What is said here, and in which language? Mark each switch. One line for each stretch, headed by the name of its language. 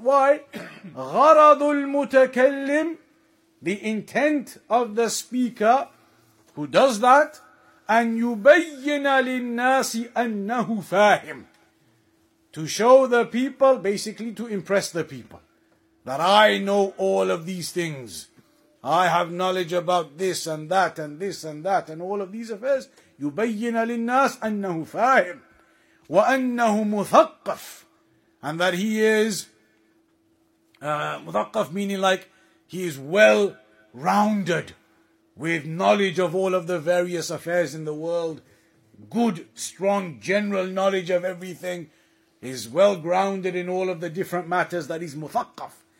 English: Why?
Arabic: غرض المتكلم,
English: the intent of the speaker who does that, and
Arabic: يبين للناس أنه فاهم,
English: to show the people, basically to impress the people, that I know all of these things. I have knowledge about this and that and this and that and all of these affairs.
Arabic: يبين للناس أنه فاهم وأنه مثقف.
English: And that he is, مثقف meaning like he is well rounded with knowledge of all of the various affairs in the world. Good, strong, general knowledge of everything. He's well grounded in all of the different matters, that he's مثقف.